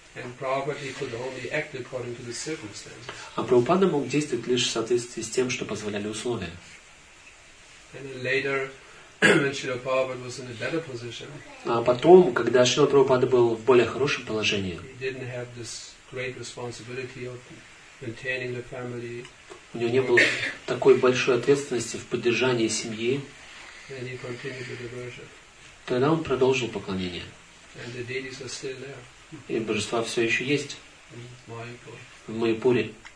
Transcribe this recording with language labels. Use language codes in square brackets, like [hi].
[en] And Prabhupada could only act according to the circumstances. [ru] А Прабхупада мог действовать лишь в соответствии с тем, что позволяли условия. [en] And then later, when Srila Prabhupada was in a better position, [ru] а потом, когда Шрила Прабхупада был в более хорошем положении, [en] he didn't have this great responsibility of maintaining the family. [ru] У него не было такой большой ответственности в поддержании семьи. [en] And he continued the devotion. [ru] Тогда он продолжил поклонение. [en] And the deities are still there. [ru] И божества все еще есть в Майяпуре.